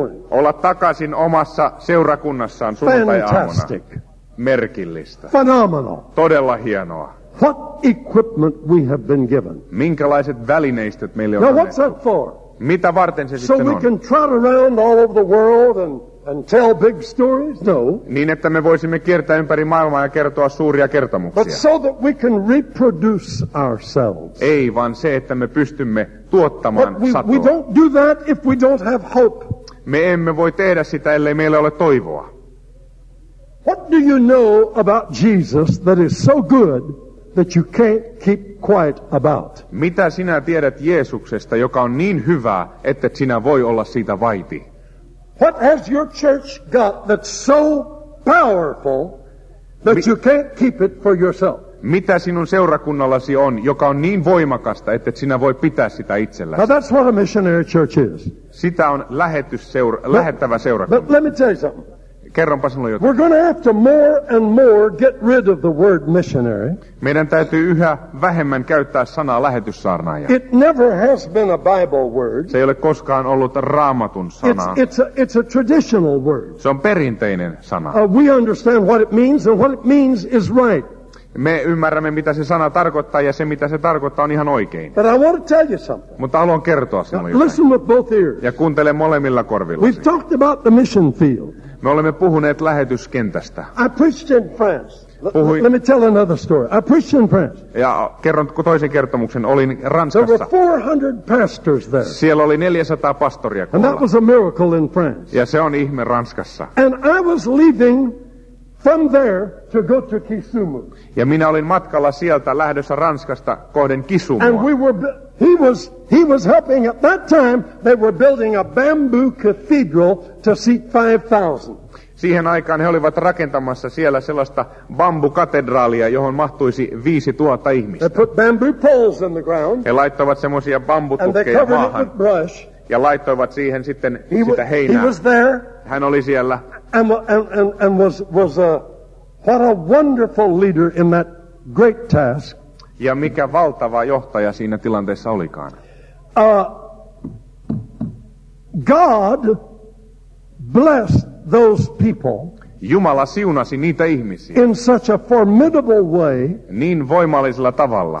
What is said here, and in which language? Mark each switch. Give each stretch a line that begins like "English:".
Finnish: Olla takaisin omassa seurakunnassaan sunnuntai-aamuna. Merkillistä.
English: Phenomenal.
Finnish: Todella hienoa.
English: What equipment we have been given.
Finnish: Minkälaiset välineistöt meille on annettu.
English: Now what's that for?
Finnish: Mitä varten se
English: so
Finnish: sitten
English: we
Finnish: on?
English: Can trot around all over the world and tell big stories? No.
Finnish: Niin että me voisimme kiertää ympäri maailmaa ja kertoa suuria kertomuksia.
English: But so that we can reproduce ourselves.
Finnish: Ei vaan se, että me pystymme tuottamaan satoa.
English: We don't do that if we don't have hope.
Finnish: Me emme voi tehdä sitä, ellei meillä ole toivoa.
English: What do you know about Jesus that is so good that you can't keep quiet about?
Finnish: Mitä sinä tiedät Jeesuksesta, joka on niin hyvä, että sinä voi olla siitä vaiti?
English: What has your church got that's so powerful that you can't keep it for yourself?
Finnish: Mitä sinun seurakunnallasi on, joka on niin voimakasta, että sinä voi pitää sitä itselläsi?
English: Now that's what a missionary church is.
Finnish: Sitä on lähettävä seurakunta.
English: But let me tell you something.
Finnish: Kerronpa sinulle jotain.
English: We're going to have to more and more get rid of the word missionary.
Finnish: Meidän täytyy yhä vähemmän käyttää sanaa lähetyssaarnaaja.
English: It never has been a Bible word.
Finnish: Se ei ole koskaan ollut Raamatun sana.
English: It's a traditional word.
Finnish: Se on perinteinen sana.
English: We understand what it means, and what it means is right.
Finnish: Me ymmärrämme, mitä se sana tarkoittaa, ja se, mitä se tarkoittaa, on ihan oikein.
English: But I want to tell you something.
Finnish: Mutta haluan kertoa sinulle jotain.
English: Listen with both ears.
Finnish: Ja kuuntele molemmilla korvilla.
English: We've talked about the mission field.
Finnish: Me olemme puhuneet lähetyskentästä.
English: I preached in France. Let me tell another story. I preached in France.
Finnish: Ja kerron toisen kertomuksen. Olin Ranskassa.
English: There were 400 pastors there.
Finnish: Siellä oli 400 pastoria kuulla.
English: And that was a miracle in France.
Finnish: Ja se on ihme Ranskassa.
English: And I was leaving from there to go to Kisumu.
Finnish: Ja minä olin matkalla sieltä lähdössä Ranskasta kohden Kisumua.
English: And he was helping at that time they were building a bamboo cathedral to seat 5,000.
Finnish: Siihen aikaan he olivat rakentamassa siellä sellaista bambukatedraalia, johon mahtuisi 5,000 ihmistä.
English: They put bamboo poles in the ground.
Finnish: He laittoivat semmoisia bambutukkeja maahan. Ja laittoivat siihen sitten sitä heinää.
English: He was there.
Finnish: Hän oli siellä.
English: What a wonderful leader in that great task.
Finnish: Ja mikä valtava johtaja siinä tilanteessa olikaan.
English: God blessed those people.
Finnish: Jumala siunasi niitä ihmisiä.
English: In such a formidable way.
Finnish: Niin voimallisella tavalla.